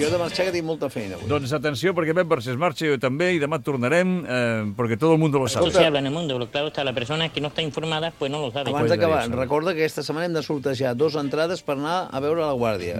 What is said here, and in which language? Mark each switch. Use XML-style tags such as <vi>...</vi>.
<ca>Jo he de marxar, que tinc molta feina avui. Doncs atenció, perquè Pep Barcés marxa, jo també, i demà tornarem, perquè tot el món lo sap.</ca> <es>Això se habla en el mundo, pero claro, está la persona que no está informada, pues no lo sabe.</es> <ca>Abans d'acabar, recorda que aquesta setmana hem de sortejar dos entrades per anar a veure la Guàrdia.</ca>